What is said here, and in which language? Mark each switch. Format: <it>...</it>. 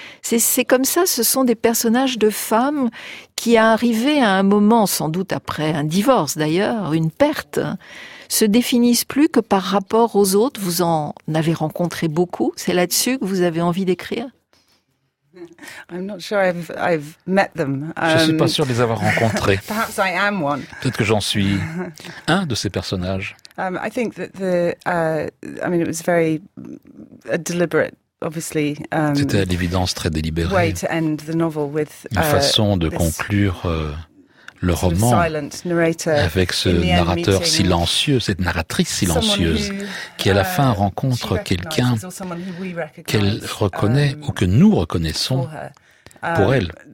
<fr>C'est comme ça, ce sont des personnages de femmes qui, arrivés à un moment, sans doute après un divorce d'ailleurs, une perte, se définissent plus que par rapport aux autres. Vous en avez rencontré beaucoup, c'est là-dessus que vous avez envie d'écrire ?</fr> <en>I'm not sure I've met them.</en> <fr>Je ne suis pas sûr de les avoir rencontrés.</fr> <en>Perhaps I am one.</en> <fr>Peut-être que j'en suis un de ces personnages.</fr> <en>I think that the, I mean, it was very deliberate, obviously.</en> <fr>C'était à l'évidence très délibéré.</fr> <en>Way to end the novel with</en> <fr>une façon de conclure le roman avec ce narrateur silencieux, cette narratrice silencieuse qui à la fin rencontre quelqu'un qu'elle reconnaît ou que nous reconnaissons pour elle.</fr>